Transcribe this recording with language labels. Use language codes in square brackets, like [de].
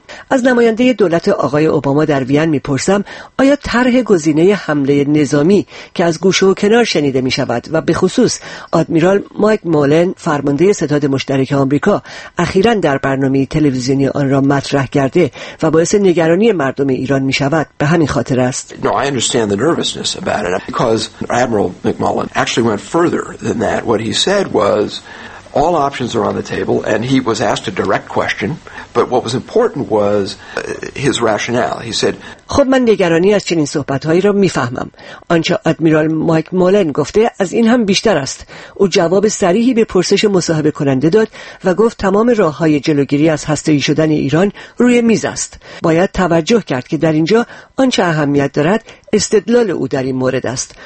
[fa] از نماینده دولت آقای اوباما در وین میپرسم آیا طرح گزینه حمله نظامی که از گوشه و کنار شنیده می شود و به خصوص آدمیرال مایک مولن فرمانده ستاد مشترک آمریکا اخیراً در برنامه تلویزیونی آن را مطرح کرده و باعث نگرانی مردم ایران می شود به همین خاطر است؟ [en] No, I understand the nervousness about it because Admiral McMullen actually went further than that. What he said was all options are on the table and he was asked a direct question. But what was important was his rationale. He said, [fa] خب من نگرانی از چنین صحبت‌هایی را می‌فهمم. آنچه آدمیرال مایک مولن گفته از این هم بیشتر است. او جواب صریحی به پرسش مصاحبه کننده داد و گفت تمام راه‌های جلوگیری از هسته‌ای شدن ایران روی میز است. باید توجه کرد که در اینجا آنچه اهمیت دارد استدلال او در این مورد است.